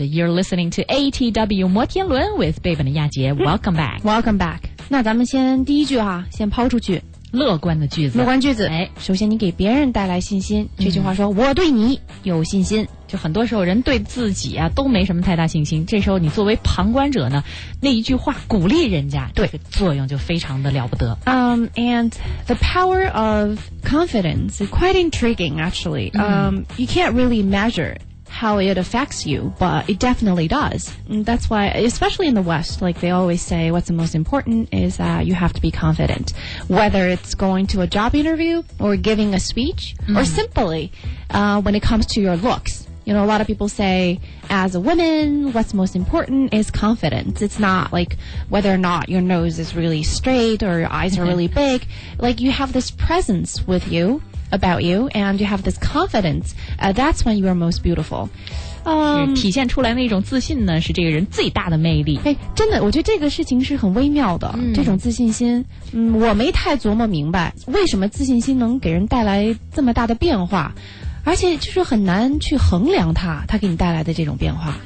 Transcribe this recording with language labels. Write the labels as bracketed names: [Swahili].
[English] You're listening to ATW 摩天轮 with Babe and 亚杰. Welcome back. Welcome back. [Chinese] 那咱们先第一句哈，先抛出去。乐观的句子。乐观句子。哎，首先你给别人带来信心。这句话说，我对你有信心。就很多时候人对自己啊都没什么太大信心，这时候你作为旁观者呢，那一句话鼓励人家，对，这个作用就非常的了不得。 [English] And the power of confidence is quite intriguing actually. You can't really measure how it affects you, but it definitely does. That's why, especially in the West, like they always say, what's the most important is that you have to be confident. Whether it's going to a job interview or giving a speech, or simply, when it comes to your looks. You know, a lot of people say, as a woman, what's most important is confidence. It's not like whether or not your nose is really straight or your eyes are really big. Like, you have this presence with you, about you, and you have this confidence. That's when you are most beautiful. [Chinese] 体现出来那种自信呢，是这个人最大的魅力。哎，真的，我觉得这个事情是很微妙的，这种自信心。我没太琢磨明白，为什么自信心能给人带来这么大的变化。而且就是很难去衡量它给你带来的这种变化。